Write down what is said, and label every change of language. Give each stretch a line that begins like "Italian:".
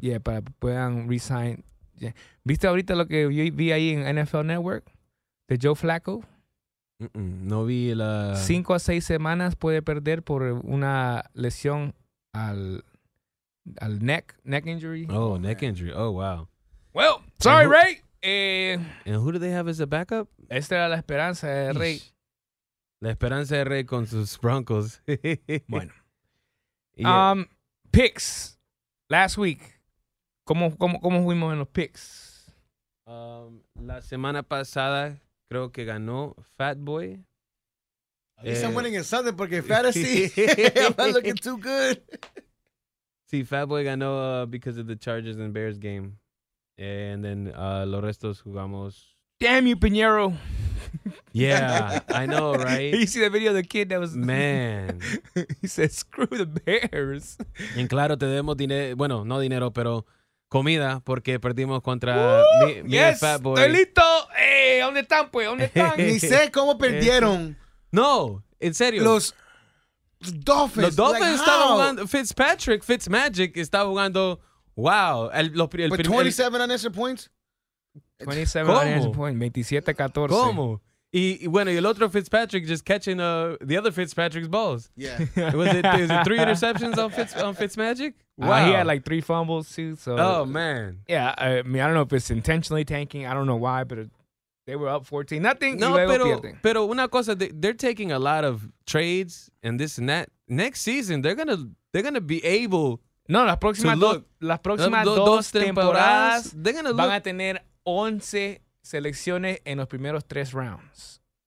Spanish: Yeah, para que puedan resign. Yeah. ¿Viste ahorita lo que yo vi ahí en NFL Network? De Joe Flacco. Mm-mm, no vi la... 5 a 6 semanas puede perder por una lesión al
English: neck injury. Oh, okay. Neck injury. Oh, wow. Well, sorry, Ray. And who do they have as a backup?
Spanish: Esta era la esperanza de Rey. La esperanza de Rey con sus Broncos.
English: Bueno. Yeah. Picks. Last week.
Spanish: ¿Cómo fuimos en los picks? La semana pasada creo que ganó Fatboy.
English: At least I'm winning in something
Spanish: porque Fantasy.
English: I'm not looking too good.
Spanish: Sí, Fatboy ganó
English: because of the Chargers and Bears game. And then
Spanish: los restos jugamos.
English: Damn you, Piñero. Yeah, I know, right? You see the video of the kid that was... Man. He said, screw the Bears.
Spanish: En claro, te debemos dinero. Bueno, no dinero, pero comida, porque perdimos contra mi
English: yes,
Spanish: Fat Boy. ¡Estoy listo! ¿Dónde están, pues? ¿Dónde están? Ni sé cómo perdieron. No, en serio. Los Dolphins. Los Dolphins like, estaban jugando... Fitzpatrick, Fitzmagic, estaba jugando... Wow. El
English: 27 unanswered points? 27 unanswered points. 27-14.
Spanish: ¿Cómo? Y bueno, y el otro Fitzpatrick
English: just catching the other Fitzpatrick's balls. Yeah. Was it 3 interceptions on Fitzmagic? Wow. He had like 3 fumbles too. So. Oh, man. Yeah. I don't know if it's intentionally tanking. I don't know why, but they were up 14. Nothing.
Spanish: No, pero una cosa,
English: they're taking a lot of trades and this and that. Next season, they're gonna be able...
Spanish: No, las próximas dos temporadas van a tener 11 selecciones en los primeros 3 rounds.